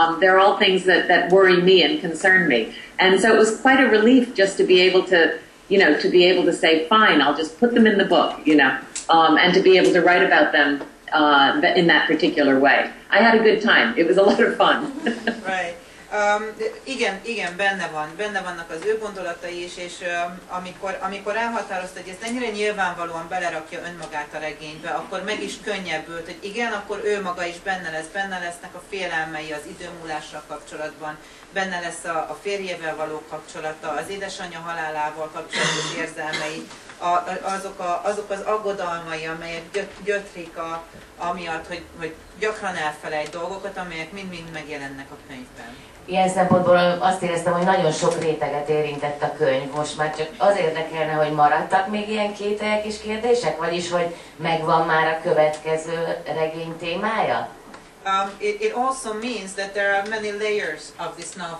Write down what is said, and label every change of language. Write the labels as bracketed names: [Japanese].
[English] They're all things that worry me and concern me. And so it was quite a relief just to be able to, you know, to be able to say, fine, I'll just put them in the book, you know, and to be able to write about them in that particular way. I had a good time. It was a lot of fun. [Hungarian] Right. Igen, benne van. Benne vannak az ő gondolatai is, és amikor elhatározta, hogy ezt ennyire nyilvánvalóan belerakja önmagát a regénybe, akkor meg is könnyebbült, hogy igen, akkor ő maga is benne lesz. Benne lesznek a félelmei az időmúlással kapcsolatban, benne lesz a férjével való kapcsolata, az édesanyja halálával kapcsolatos érzelmei, azok az aggodalmai, amelyek gyötrik amiatt, hogy gyakran elfelejt dolgokat, amelyek mind-mind megjelennek a könyvben. Ilyen szempontból azt éreztem, hogy nagyon sok réteget érintett a könyv. Most már csak az érdekelne, hogy maradtak még ilyen kételyek és kérdések? Vagyis, hogy megvan már a következő regény témája? [English] It also means that there are many layers of this novel.